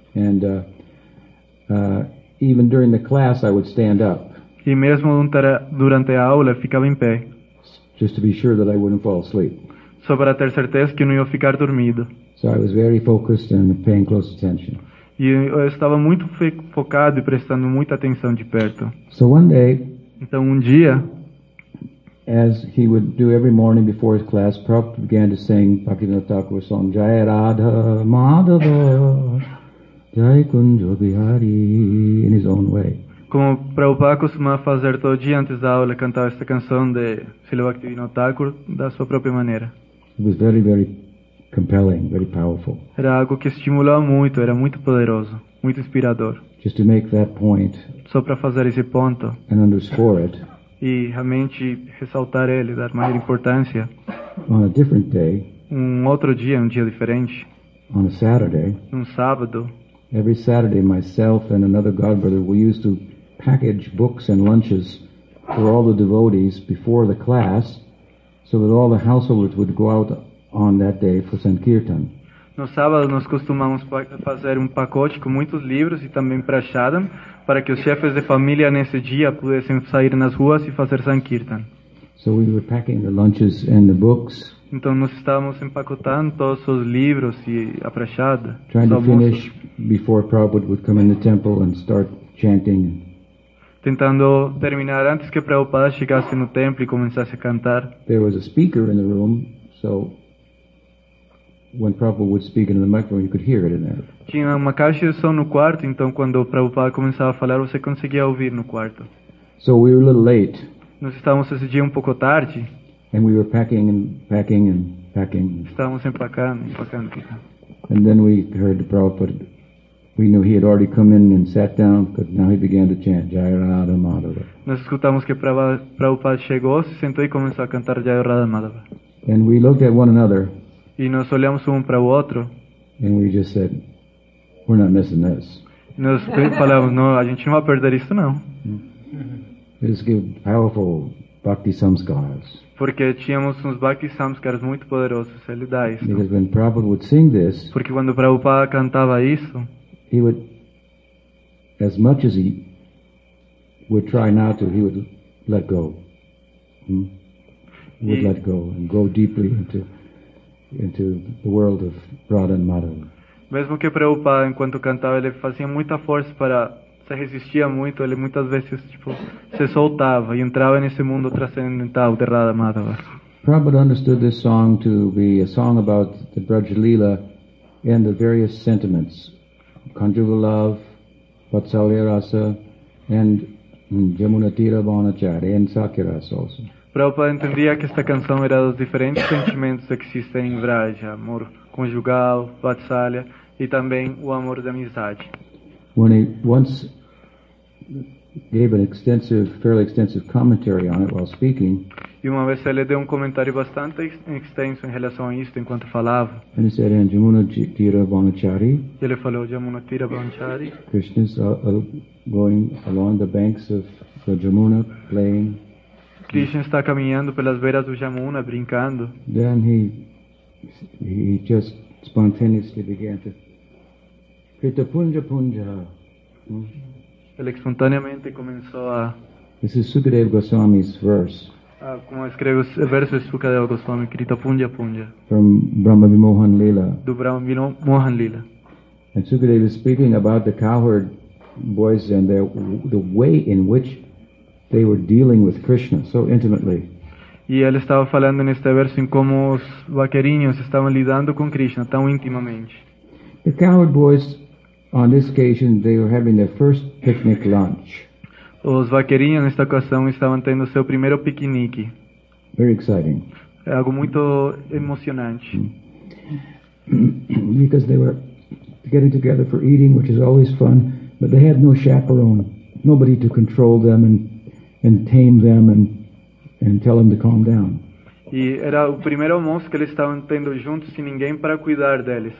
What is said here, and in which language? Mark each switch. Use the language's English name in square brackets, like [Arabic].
[English] And even during the class, I would stand up. [Portuguese] E mesmo durante a aula, ficava em pé. [English] Just to be sure that I wouldn't fall asleep. [Portuguese] Só para ter certeza que não ia ficar dormido. [English] So I was very focused and paying close attention. [Portuguese] E eu estava muito focado e prestando muita atenção de perto. [English] So one day, [Portuguese] então dia, [English] as he would do every morning before his class, Prabhupada began to sing Bhaktivinoda Thakur's song, Jai Radha Madhava. Jai Kunjo Bihari, in his own way. [Portuguese] Como Prabhupada costumava fazer todo dia antes da aula, cantava esta canção de Srila Bhaktivinoda Thakur da sua própria maneira. [English] It was very, very compelling, very powerful. [Portuguese] Era algo que estimulava muito, era muito poderoso, muito inspirador. [English] Just to make that point. [Portuguese] Só para fazer esse ponto. [English] And underscore it. [Portuguese] E realmente ressaltar ele, dar maior importância. [English] On a different day. [Portuguese] Outro dia, dia diferente. [English] On a Saturday. [Portuguese] Sábado. [English] Every Saturday, myself and another god brother, we used to package books and lunches for all the devotees before the class, so that all the householders would go out on that day for Sankirtan. [Portuguese] No sábado, nós costumamos fazer pacote com muitos livros e também prachadam, para que os chefes de família nesse dia pudessem sair nas ruas e fazer Sankirtan. [English] So we were packing the lunches and the books. [Portuguese] Então nós estávamos empacotando todos os livros e a prachada. [English] Trying to finish before Prabhupada would come in the temple and start chanting. [Portuguese] Tentando terminar antes que Prabhupada chegasse no templo e começasse a cantar. [English] There was a speaker in the room, so when Prabhupada would speak into the microphone, you could hear it in there. [Portuguese] Tinha uma caixa de som no quarto, então quando Prabhupada começava a falar, você conseguia ouvir no quarto. [English] So we were a little late. [Portuguese] Nós estávamos esse dia pouco tarde. [English] And we were packing and packing and packing. [Portuguese] Estávamos empacando. [English] And then we heard the Prabhupada. We knew he had already come in and sat down, but now he began to chant Jai Radha Madhava. [Portuguese] Nós escutamos que Prabhupada chegou, se sentou e começou a cantar Jai Radha Madhava. [English] And we looked at one another. [Portuguese] E nós olhamos para o outro. [English] And we just said, we're not missing this. [Portuguese] Nós falamos, não, a gente não vai perder isso, não. [English] This is powerful Bhakti Samskaras. [Portuguese] Porque tínhamos uns Bhakti Samskaras muito poderosos, ele dá isso. [English] Because when Prabhupada would sing this, [Portuguese] porque quando Prabhupada cantava isso, [English] he would, as much as he would try not to, he would let go. He would let go and go deeply into the world of Radha and Madhava. [Portuguese] Mesmo que Prabhupada, enquanto cantava, ele fazia muita força para se resistir muito, ele muitas vezes tipo se soltava e entrava nesse mundo transcendental de Radha Madhava. [English] Prabhupada understood this song to be a song about the Brajlila and the various sentiments, conjugal love, Vatsalya Rasa, and Jamuna Tira Bhanachari, and Sakya Rasa also. [Portuguese] Prabhupada entendia que esta canção era dos diferentes sentimentos que existem em Vraja, amor conjugal, Vatsalya, e também o amor de amizade. [English] When he once gave an extensive, fairly extensive commentary on it while speaking, [Portuguese] e uma vez ele deu um comentário bastante extenso em relação a isto enquanto falava, [English] and he said, and Jamuna Tira Bhanachari, [Portuguese] e ele falou, Jamuna Tira Bhanachari, [English] Krishna's going along the banks of the Jamuna, playing. [Portuguese] Krishna está caminhando pelas beiras do Jamuna, brincando. [English] Then he just spontaneously began to Krita Punja Punja. [Portuguese] Ele espontaneamente começou a... [English] This is Sukadeva Goswami's verse. [Portuguese] Como escreve o verso de Sukadeva Goswami, Krita Punja Punja. [English] From Brahma Vimohan Lila. [Portuguese] Do Brahma Vimohan Lila. [English] And Sukadeva is speaking about the cowherd boys and the way in which they were dealing with Krishna so intimately. [Portuguese] E ele estava falando neste verso em como os vaquerinhos estavam lidando com Krishna tão intimamente. [English] The cowherd boys, on this occasion, they were having their first picnic lunch. [Portuguese] Os vaquerinhos nesta ocasião estavam tendo seu primeiro piquenique. [English] Very exciting. [Portuguese] É algo muito emocionante. [English] Because they were getting together for eating, which is always fun, but they had no chaperone, nobody to control them and tame them and tell them to calm down. [Portuguese] E era o primeiro almoço que eles estavam tendo juntos, sem ninguém para cuidar deles.